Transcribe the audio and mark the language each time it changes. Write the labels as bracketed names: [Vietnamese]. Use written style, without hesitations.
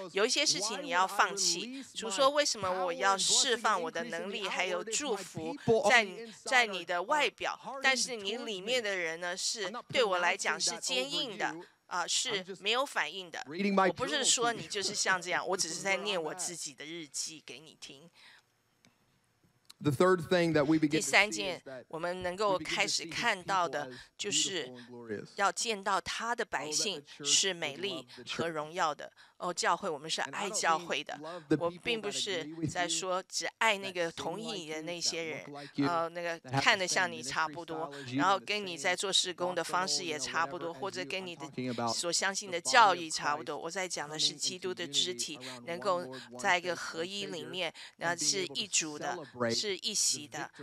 [Chinese] 有一些事情你要放弃，主说，为什么我要释放我的能力还有祝福在你的外表，但是你里面的人呢是对我来讲是坚硬的，是没有反应的。我不是说你就是像这样，我只是在念我自己的日记给你听。 [English] The third thing that we begin to see is that we begin to see people as beautiful and glorious. [Chinese] 要见到他的百姓是美丽和荣耀的。哦，教会，我们是爱教会的。我并不是在说只爱那个同意你的那些人，那个看得像你差不多，然后跟你在做事工的方式也差不多，或者跟你的所相信的教义差不多。我在讲的是基督的肢体能够在一个合一里面，那是一主的，是一喜的。